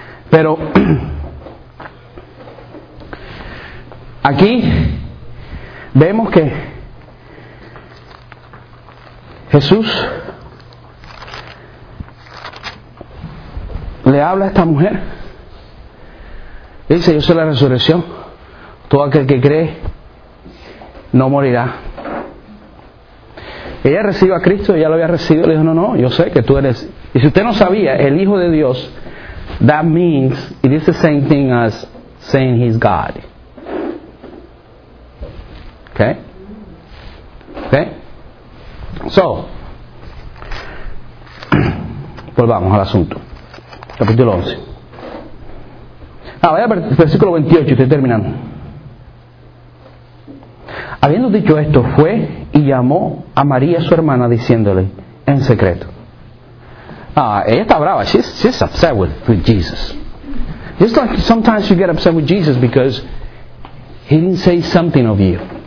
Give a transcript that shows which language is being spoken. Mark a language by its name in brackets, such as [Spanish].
[Spanish] Pero aquí vemos que Jesús le habla a esta mujer. Dice, yo soy la resurrección. Todo aquel que cree no morirá. Ella recibió a Cristo, ella lo había recibido. Le dijo, no, yo sé que tú eres. Y si usted no sabía, el Hijo de Dios, [English] that means, it is the same thing as saying he's God. [Spanish] Okay? So, volvamos al asunto. Capítulo 11. Vaya al versículo 28, estoy terminando. Habiendo dicho esto, fue y llamó a María, su hermana, diciéndole en secreto. Ella está brava. [English] She's upset with Jesus. Just like sometimes you get upset with Jesus because he didn't say something of you.